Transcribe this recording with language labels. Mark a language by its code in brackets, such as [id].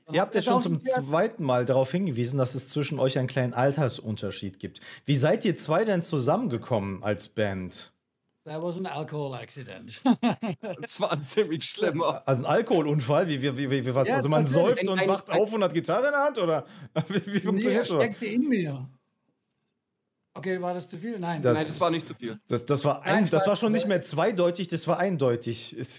[de] Ihr habt ja schon zum zweiten Mal darauf hingewiesen, dass es zwischen euch einen kleinen Altersunterschied gibt. Wie seid ihr zwei denn zusammengekommen als Band? [en] That was an alcohol accident. [de] Das war ein ziemlich schlimmer. Also ein Alkoholunfall? Wie was? Ja, also man säuft und wacht auf und hat Gitarre in der Hand? Oder wie funktioniert das? Nee, er steckte in mir. Okay, war das zu viel? Nein. Das war nicht zu viel. Das war schon nicht mehr zweideutig, das war eindeutig.